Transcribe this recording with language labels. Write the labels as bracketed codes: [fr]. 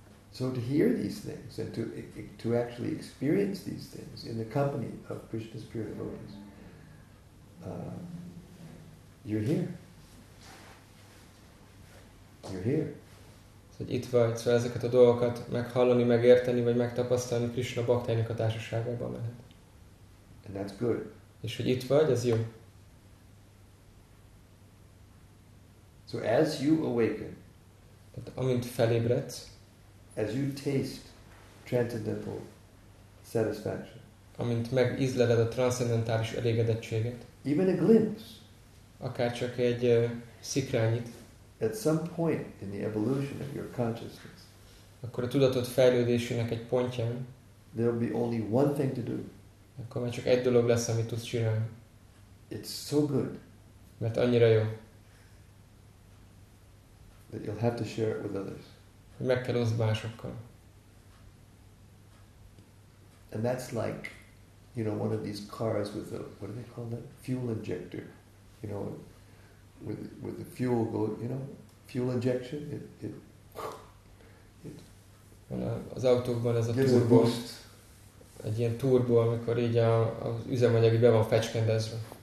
[en] So to hear these things and to actually experience these things in the company of Krishna's pure devotees, you're here. [hu] So itt vagy, szóval ezeket a dolgokat meghallani, megérteni vagy megtapasztalni Krishna baktáinak a társaságában lehet. [en] And that's good. [hu] És hogy itt vagy, ez jó. [en] So as you awaken, [hu] tehát amint felébredsz, [en] as you taste transcendental satisfaction, [hu] amint megízleled a transzcendentális elégedettséget, [en] even a glimpse, [hu] akár csak egy szikrányit, [en] at some point in the evolution of your consciousness, [hu] akkor a tudatod fejlődésének egy pontján, [en] there will be only one thing to do, [hu] akkor már csak egy dolog lesz, amit tudsz csinálni. [en] It's so good, [hu] mert annyira jó, [en] that you'll have to share it with others. [hu] Meg kell oszd másokkal. [en] And that's like, you know, one of these cars with a, what do they call that? Fuel injector. You know, with the fuel go, you know, fuel injection, it [hu] az autókban ez a turbó. Egy ilyen turbó, amikor így az üzemanyag be van fecskendezve.